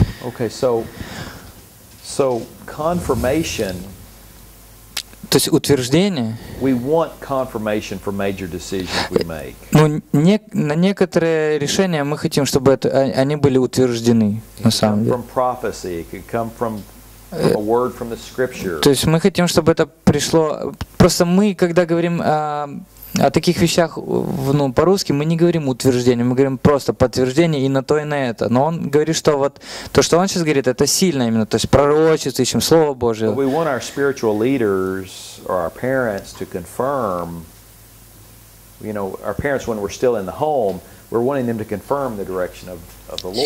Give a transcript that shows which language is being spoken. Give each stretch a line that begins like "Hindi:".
English: Okay, so confirmation.
Russian: То есть утверждение.
English: We want confirmation for major decisions we make.
Russian: Ну, не, на некоторые решения мы хотим, чтобы это, они были утверждены, на самом деле.
English: From prophecy, it could come from a word from the scripture.
Russian: То есть мы хотим, чтобы это пришло. Просто мы, когда говорим о таких вещах, ну, по-русски, мы не говорим утверждение, мы говорим просто подтверждение и на то, и на это. Но он говорит, что вот то, что он сейчас говорит, это сильно именно, то есть пророчество, ищем Слово Божие.
English: We want our spiritual leaders or our parents to confirm, you know, our parents when we're still in the home, we're wanting them to confirm the direction of the Lord.